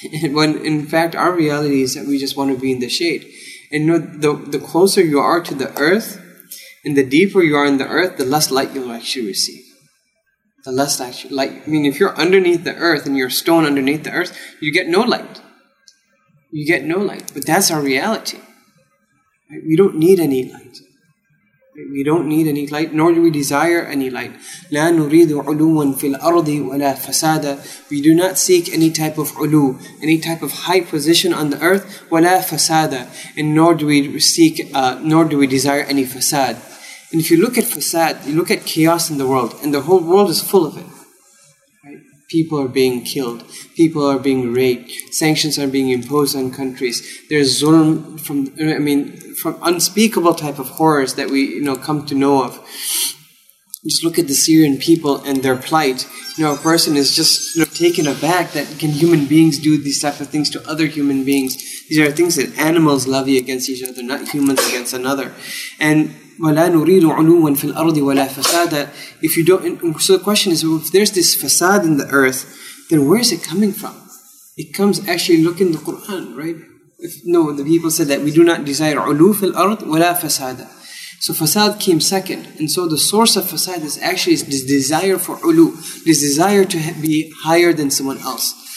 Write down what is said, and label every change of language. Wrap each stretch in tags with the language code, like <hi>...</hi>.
<en>When in fact, our reality is that we just want to be in the shade. And you know, the closer you are to the earth, and the deeper you are in the earth, the less light you'll actually receive. The less light. I mean, if you're underneath the earth and you're stone underneath the earth, you get no light. You get no light. But that's our reality. Right? We don't need any light. Right? We don't need any light, nor do we desire any light.</en> <ar>لا نريد علوًا في الأرض ولا فسادا.</ar> <en>We do not seek any type of علو, any type of high position on the earth,</en> <ar>ولا فسادا.</ar> <en>And nor do we seek, nor do we desire any facade. And if you look at facade, you look at chaos in the world, and the whole world is full of it. People are being killed. People are being raped. Sanctions are being imposed on countries. There's zulm from unspeakable type of horrors that we, you know, come to know of. Just look at the Syrian people and their plight. You know, a person is just, you know, taken aback that can human beings do these type of things to other human beings. These are things that animals levy against each other, not humans against another.</en> <ar>And وَلَا نُرِيدُ عُلُوًا فِي الْأَرْضِ وَلَا فَسَادًا.</ar> <en>If you don't, so the question is, well, if there's this facade in the earth, then where is it coming from? It comes, actually, look in the Quran, right? The people said that we do not desire</en> <ar>عُلُو فِي الْأَرْضِ وَلَا فَسَادًا.</ar> <en>So facade came second. And so the source of facade is actually this desire for عُلُو, this desire to be higher than someone else.</en>